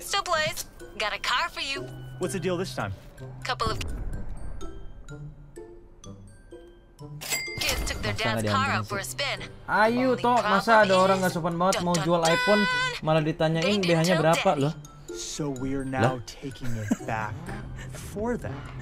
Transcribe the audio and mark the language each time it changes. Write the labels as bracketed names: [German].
[English] So Blaze, got a car for you. What's the deal this time? Couple of kids took their dad's car out for a spin. [Indonesian] Ayo toh, masa ada orang enggak sopan banget mau jual iPhone malah ditanyain BH-nya berapa loh. [English] So we are now taking it back for them.